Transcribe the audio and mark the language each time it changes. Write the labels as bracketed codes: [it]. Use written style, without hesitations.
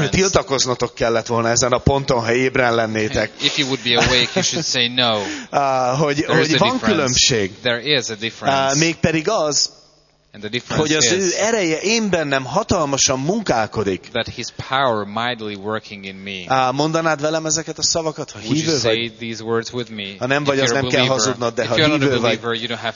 [hu] De tiltakoznotok kellett volna ezen a ponton, ha ébren lennétek. [en] If you would be awake, you should say no. [hu] Hogy van különbség. [en] There is a difference. [hu] Mégpedig az, hogy az ő ereje én bennem hatalmasan munkálkodik. [en] That his power mightily working in me. [hu] Mondanád velem ezeket a szavakat, ha hívő vagy? [en] These words with me? [hu] Ha nem vagy, az nem kell hazudnod, de ha hívő vagy.